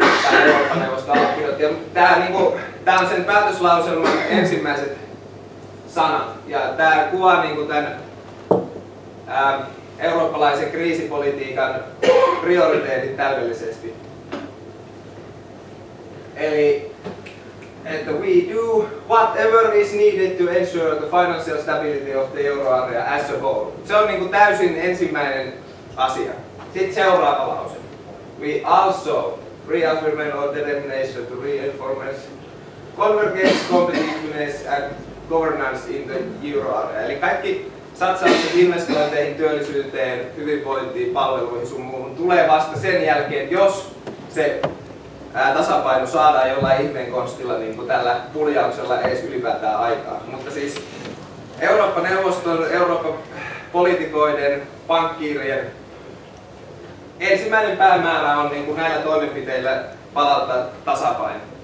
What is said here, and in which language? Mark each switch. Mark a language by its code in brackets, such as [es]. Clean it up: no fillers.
[fi] Tämä Eurooppa-neuvosto allekirjoitti. Tämä on sen päätöslauselman ensimmäiset sanat. Ja tämä kuvaa niin kuin tämän eurooppalaisen kriisipolitiikan prioriteetit täydellisesti. Eli, että [en] we do whatever is needed to ensure the financial stability of the euroarea as a whole. [fi] Se on niin kuin täysin ensimmäinen asia. Sitten seuraava lause. [en] We also reaffirm our determination to reinforce convergence, competitiveness and governance in the euroarea. [fi] Eli kaikki satsaukset investointeihin, työllisyyteen, hyvinvointiin, palveluihin sun muuhun tulee vasta sen jälkeen, jos se tasapaino saadaan jollain ihmeen konstilla, niin kuin tällä puljauksella ei edes ylipäätään aikaa. Mutta siis Eurooppa-neuvoston, Eurooppa-poliitikoiden, pankkiirien ensimmäinen päämäärä on niin kuin näillä toimenpiteillä palauttaa tasapaino.